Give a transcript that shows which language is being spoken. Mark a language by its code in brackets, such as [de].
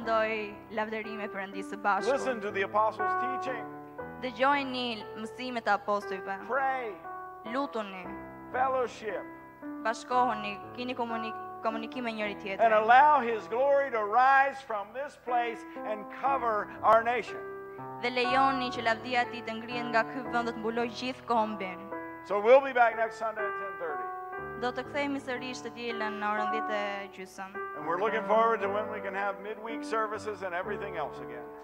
[en] Listen to the apostles' teaching. Pray. [sq] Lutuni. [en] Fellowship. [sq] Bashkohuni. Kini komuniki me njëri tjetrin. [en] And allow His glory to rise from this place and cover our nation. [sq] Dhe lejoni që lavdia e Tij të ngrihet nga ky vend dhe të mbuloj gjithë kombin. [en] So we'll be back next Sunday at 10:30. [sq] Do të kthehemi sërish të dielën në orën 10:30. [en] And we're looking forward to when we can have midweek services and everything else again.